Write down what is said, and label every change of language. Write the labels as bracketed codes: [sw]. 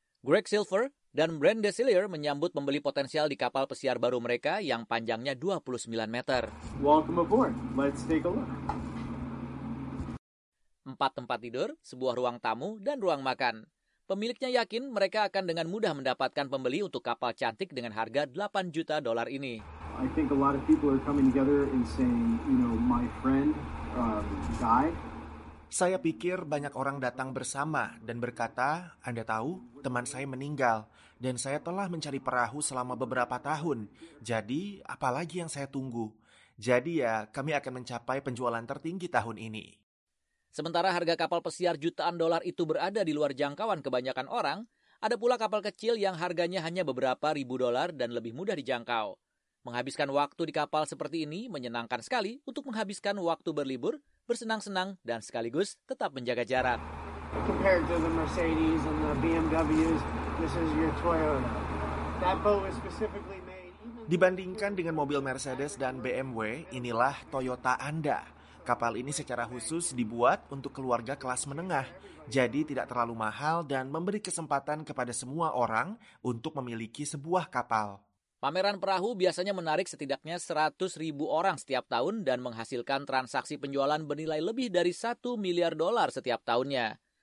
[id] Greg Silver dan Brent Desilier menyambut pembeli potensial di kapal pesiar baru mereka yang panjangnya 29 meter. [en] Welcome aboard. Let's take a look. [id] 4 tempat tidur, sebuah ruang tamu, dan ruang makan. Pemiliknya yakin mereka akan dengan mudah mendapatkan pembeli untuk kapal cantik dengan harga $8 juta ini. [en] I think a lot of people are coming together and saying, you know, my friend guy. [id] Saya pikir banyak orang datang bersama dan berkata, Anda tahu, teman saya meninggal dan saya telah mencari perahu selama beberapa tahun. Jadi, apalagi yang saya tunggu? Jadi ya, kami akan mencapai penjualan tertinggi tahun ini. Sementara harga kapal pesiar jutaan dolar itu berada di luar jangkauan kebanyakan orang, ada pula kapal kecil yang harganya hanya beberapa ribu dolar dan lebih mudah dijangkau. Menghabiskan waktu di kapal seperti ini menyenangkan sekali untuk menghabiskan waktu berlibur, bersenang-senang, dan sekaligus tetap menjaga jarak. [en] Compared to the Mercedes and the BMWs, this is your Toyota. That boat was specifically made. [id] Dibandingkan dengan mobil Mercedes dan BMW, inilah Toyota Anda. Kapal ini secara khusus dibuat untuk keluarga kelas menengah, jadi tidak terlalu mahal dan memberi kesempatan kepada semua orang untuk memiliki sebuah kapal. Pameran perahu biasanya menarik setidaknya 100 ribu orang setiap tahun dan menghasilkan transaksi penjualan bernilai lebih dari $1 miliar setiap tahunnya.